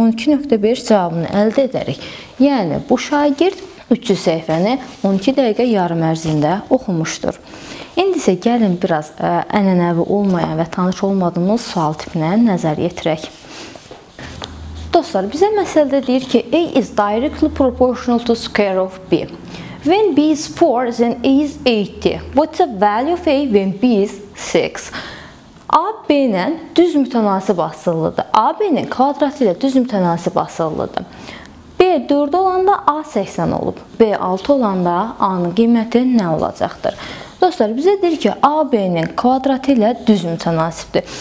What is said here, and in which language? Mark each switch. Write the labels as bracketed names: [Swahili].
[Azerbaijani] 12.5 cavabını əldə edərik. Yəni, bu şagird 300 səhifəni 12 dəqiqə yarım ərzində oxumuşdur. İndi isə gəlin biraz ənənəvi olmayan və tanış olmadığımız sual tipinə nəzər yetirək. Dostlar, bizə məsələdə deyir ki, [English] A is directly proportional to square of B. When B is 4, then A is 80. What's the value of A when B is 6? [Azerbaijani] A, B ilə düz mütənasib asılılıdır. A, B ilə kvadrat ilə düz mütənasib asılılıdır. B, 4 olanda A 80 olub. B, 6 olanda A-nın qiyməti nə olacaqdır? Dostlar, bizə deyir ki, AB-nin kvadratı ilə düz mütənasibdir.